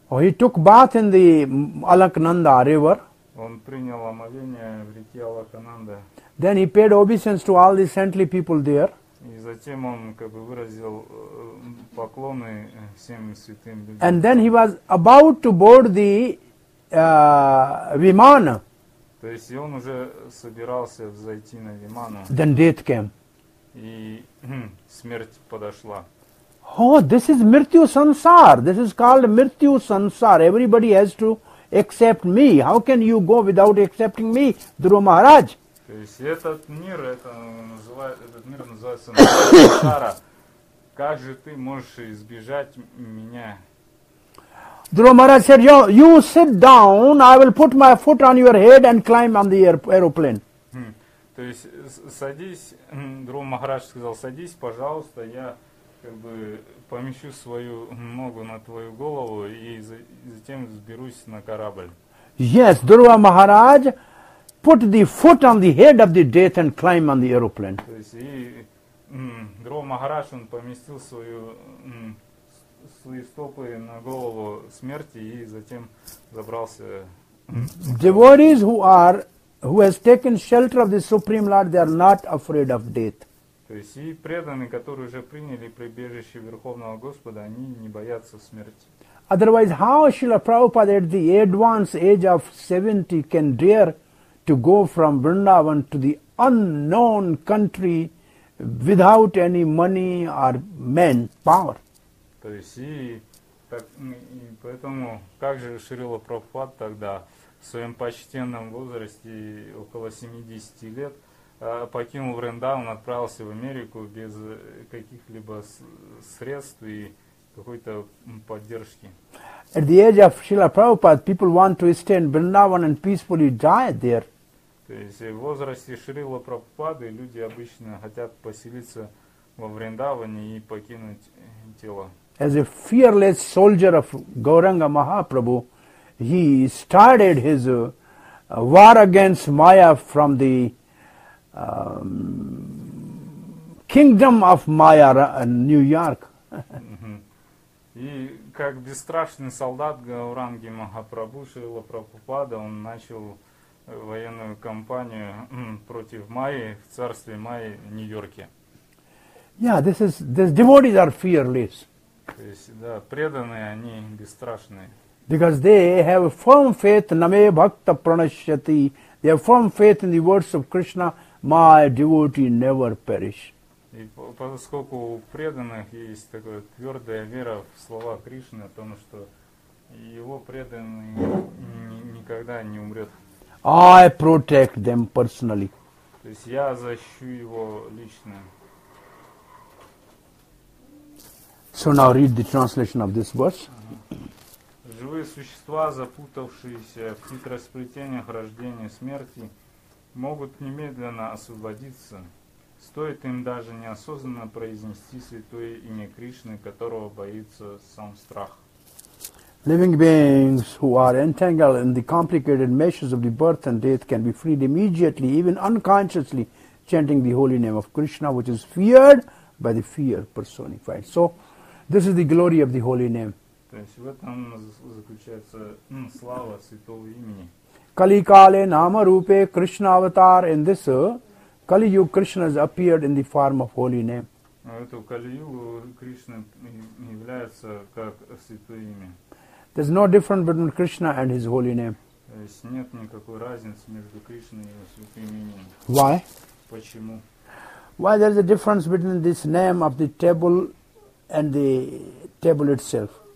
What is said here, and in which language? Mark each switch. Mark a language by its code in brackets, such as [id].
[en] Oh, he took bath in the Alaknanda river. [ru] Он принял омовение в реке Алакананда. [en] Then he paid obeisance to all the saintly people there. [ru] И затем он, как бы, выразил поклоны всем святым людям. [en] And then he was about to board the Vimana. [ru] То есть, и он уже собирался взойти на Vimana. [en] Then death came. [ru] И смерть подошла. [en] Oh, this is Mrityu Sansar. This is called Mrityu Sansar. Everybody has to accept me. How can you go without accepting me, Дхрува Махарадж? [ru] То есть этот мир называется Сансара. Как же ты можешь избежать меня? [en] Дхрува Махарадж said, you sit down, I will put my foot on your head and climb on the aeroplane. [ru] То есть садись, Дхрува Махарадж сказал, садись, пожалуйста, я как бы помещу свою ногу на твою голову и затем взберусь на корабль. [en] Yes, Дхрува Махарадж put the foot on the head of the death and climb on the aeroplane. [ru] То есть и Дхрува Махарадж он поместил свои стопы на голову смерти и затем забрался. [en] Devotees who has taken shelter of the Supreme Lord, they are not afraid of death. [ru] То есть и преданные, которые уже приняли прибежище Верховного Господа, они не боятся смерти. [en] Otherwise, how Srila Prabhupada at the advanced age of 70 can dare to go from Vrindavan to the unknown country without any money or men power? [ru] То есть и поэтому как же Шрила Прабхупада тогда в своем почтенном возрасте около 70 лет покинул Вриндаван, отправился в Америку без каких-либо средств и какой-то поддержки. [en] At the age of Srila Prabhupada, people want to stay in Vrindavan and peacefully die there. [ru] То есть в возрасте Шрила Прабхупады люди обычно хотят поселиться во Вриндаване и покинуть тело. [en] As a fearless soldier of Gauranga Mahaprabhu, he started his war against Maya from the kingdom of Maya in New York. [ru] И как бесстрашный солдат Гауранги Махапрабху Шрила Прабхупада, он начал военную кампанию против Майи в царстве Майи в Нью-Йорке. [en] Yeah, these devotees are fearless. [ru] То есть, да, преданные, они бесстрашные. [en] Because they have firm faith, [sa] name bhakta pranashyati. [en] They have firm faith in the words of Krishna, my devotee never perish. [ru] И поскольку у преданных есть такая твердая вера в слова Кришны о том, что его преданный никогда не умрет. [en] I protect them personally. [ru] То есть я защищу его лично. [en] So now read the translation of this verse. [ru] Живые существа, запутавшиеся в хитросплетениях рождения и смерти, могут немедленно освободиться. Стоит им даже неосознанно произнести святое имя Кришны, которого боится сам страх. [en] Living beings who are entangled in the complicated meshes of the birth and death can be freed immediately, even unconsciously, chanting the holy name of Krishna, which is feared by the fear personified. So, this is the glory of the holy name. [ru] То есть в этом заключается слава святого имени. [bn] Kali kale nama rupe Krishna avatar. [en] In this Kali Yuga, Krishna has appeared in the form of holy name. [ru] Это Kali Yuga Krishna является как святое имя. [en] There's no difference between Krishna and his holy name. [ru] То есть нет никакой разницы между Кришной и его святым именем. [en] Why? [ru] Почему? [en] Why there is a difference between this name of the table and the table itself?